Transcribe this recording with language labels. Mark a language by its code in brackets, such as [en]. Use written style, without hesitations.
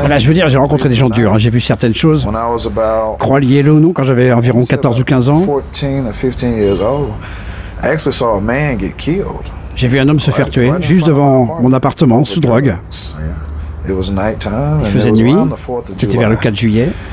[fr] Voilà, je veux dire, j'ai rencontré des gens durs. Hein. J'ai vu certaines choses. Croyez-le ou non, quand j'avais environ 14 ou 15 ans. [en] 14 or 15 years old, I actually saw a man get killed. [fr] J'ai vu un homme se faire tuer juste devant mon appartement sous drogue. Il faisait nuit, c'était vers le 4 juillet.